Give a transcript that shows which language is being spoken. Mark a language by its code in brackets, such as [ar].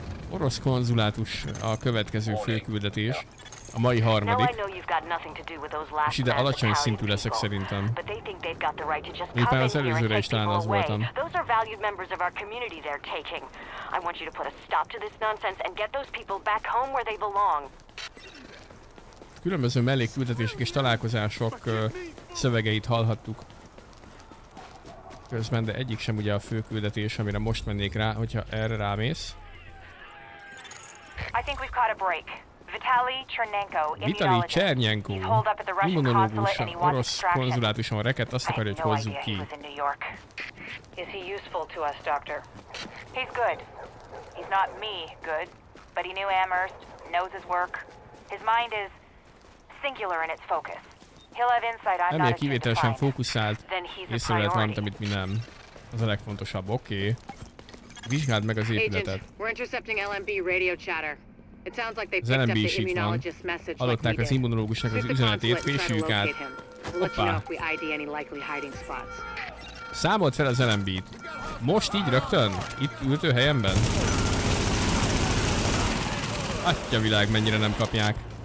[hu] Orosz konzulátus a következő főküldetés, a mai harmadik, és ide alacsony szintű leszek szerintem. Éppen az előzőre is talán az voltam. [en] I want you to put a stop to this nonsense and get those people back home where they belong. [hu] Különböző mellékküldetések és találkozások szövegeit hallhattuk közben, de egyik sem ugye a fő küldetés, amire most mennék rá, hogyha erre rámész. [en] I think we've caught a break. [hu] Vitali Chernenko, immunológus, orosz konzulátuson reket, azt akarja, hogy hozzuk ki. [en] Is he useful to us, doctor? He's good. He's not me good, but he knew Amherst, knows his work. His mind is singular in its focus. He'll have insight I'm not able to find. [hu] Kivételesen fókuszált, észrevett valamit, amit mi nem. Az a legfontosabb, oké. Vizsgáld meg az épületet. [en] We're intercepting LMB radio chatter. It sounds like they picked up the immunologist's message. [hu] Hallották az immunológusnak az üzenetét, fésüljük át. Hoppá. Számolt fel az LMB-t. Most így rögtön? Itt ültő helyemben? Atya világ, mennyire nem kapják.